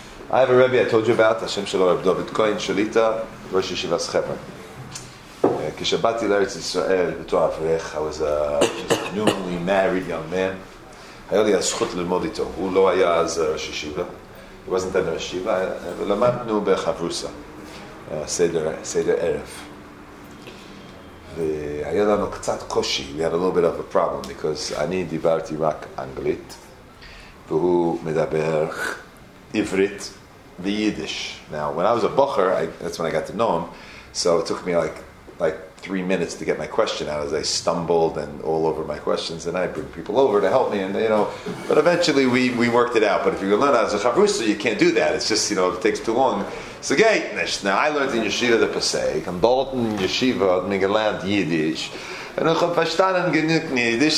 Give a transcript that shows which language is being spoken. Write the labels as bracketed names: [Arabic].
[English] I have a Rebbe, I told you about, [Hebrew] השם שלו רב דוד כהן שליטה, ראש ישיבת חברון. כשבאתי לארץ ישראל בתור אברך, [English] I was a newly married young man. [Hebrew] היה לי הזכות ללמוד איתו. הוא לא היה אז ראש ישיבה. [English] He wasn't then [Hebrew] ראש ישיבה, ולמדנו בחברוסה, סדר ערב. והיה לנו קצת קושי, [English] we had a little bit of a problem, because [Hebrew] אני דיברתי רק אנגלית, והוא מדבר עברית ויידיש. [English] Now, when I was a bocher, that's when I got to know him, so it took me like 3 minutes to get my question out as I stumbled and all over my questions, and I bring people over to help me, and you know, but eventually we worked it out. But if you learn as a chavrusa, you can't do that. It's just, you know, it takes too long. So gaitnish. Now I learned in yeshiva the pasuk, and Dalton yeshiva migaland yiddish, and I'm verstanden genug yiddish.